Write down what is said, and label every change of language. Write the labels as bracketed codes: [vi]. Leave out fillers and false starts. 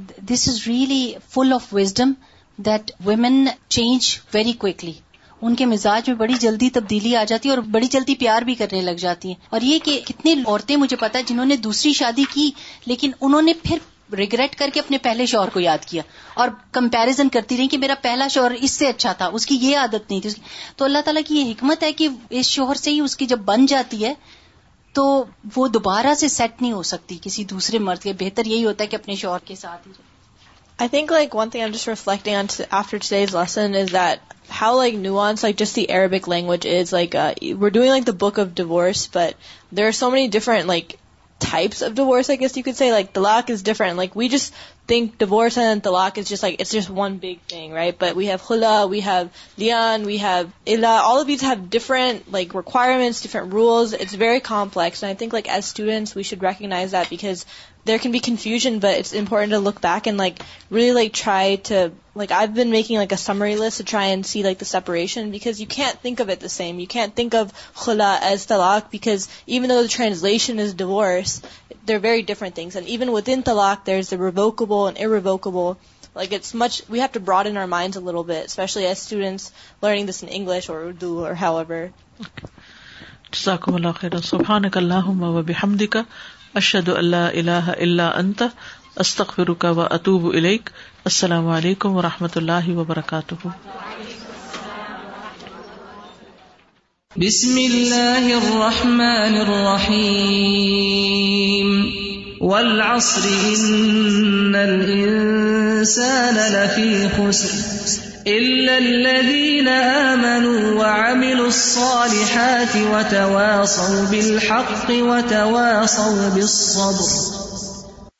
[en] this is really full of wisdom that women change very quickly, [ur] ان کے مزاج میں بڑی جلدی تبدیلی آ جاتی ہے اور بڑی جلدی پیار بھی کرنے لگ جاتی ہیں، اور یہ کہ کتنی عورتیں مجھے پتا ہے جنہوں نے دوسری شادی کی لیکن انہوں نے پھر ریگریٹ کر کے اپنے پہلے شوہر کو یاد کیا اور کمپیرزن کرتی رہی کہ میرا پہلا شوہر اس سے اچھا تھا، اس کی یہ عادت نہیں تھی۔ تو اللہ تعالیٰ کی یہ حکمت ہے کہ اس شوہر سے ہی اس کی جب بن جاتی ہے تو وہ دوبارہ سے سیٹ نہیں ہو سکتی کسی دوسرے مرد کے، بہتر یہی ہوتا ہے کہ اپنے شوہر کے ساتھ ہی رہے۔ [en] I think like one thing I'm just reflecting on after today's lesson is that how like nuanced like just the Arabic language is. Like we're doing like the book of divorce, but there are so many different like types of divorce, I guess you could say. Like talaq is different. Like we just think divorce and talaq is just like it's just one big thing, right? But we have hula, we have liyan, we have illa. All of these have different like requirements, different rules. It's very complex, and I think like as students we should recognize that, because there can be confusion, but it's important to look back and like really like try to like, I've been making like a summary list to try and see like the separation, because you can't think of it the same. You can't think of khula as talaq, because even though the translation is divorce, they're very different things. And even within talaq, there's the revocable and irrevocable. Like it's much, we have to broaden our minds a little bit, especially as students learning this in English or Urdu or however. [ar] جزاكم الله خيرا، سبحانك اللهم وبحمدك اشهد ان لا اله الا انت استغفرك واتوب اليك، السلام عليكم ورحمه الله وبركاته۔ بسم الله الرحمن الرحيم، والعصر ان الانسان لفي خسر إلا الذين آمنوا وعملوا الصالحات وتواصوا بالحق وتواصوا بالصبر۔